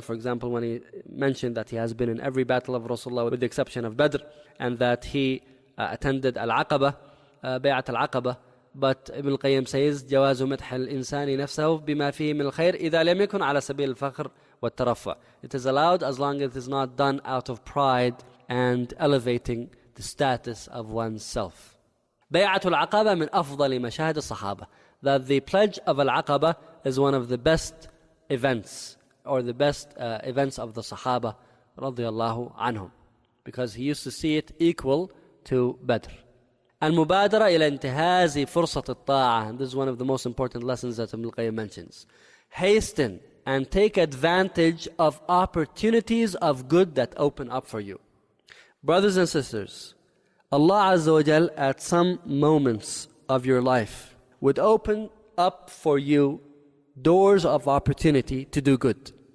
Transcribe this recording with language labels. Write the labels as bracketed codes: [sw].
[en] For example, when he mentioned that he has been in every battle of Rasulullah with the exception of Badr and that he attended Al-Aqaba, Bay'at Al-Aqaba, But Ibn al-Qayyim says, [ar] جَوَازُ مَدْحَ الْإِنسَانِ نَفْسَهُ بِمَا فِيهِ مِنْ الْخَيْرِ إِذَا لَمْ يَكُنْ عَلَى سَبِيلِ الْفَخْرِ وَالتَّرَفَّعِ [en] It is allowed as long as it is not done out of pride and elevating the status of oneself. [ar] بَيْعَةُ الْعَقَبَةِ مِنْ أَفْضَلِ مَشَاهَدِ الصَّحَابَةِ [en] That the pledge of al-Aqaba is one of the best events or the best events of the Sahaba رضي الله عنهم because he used to see it equal to Badr. [ar] المبادرة إلى انتهاز فرصة الطاعة. [en] This is one of the most important lessons that Ibn al-Qayyim mentions. Hasten and take advantage of opportunities of good that open up for you. Brothers and sisters, Allah Azza wa Jal at some moments of your life would open up for you doors of opportunity to do good.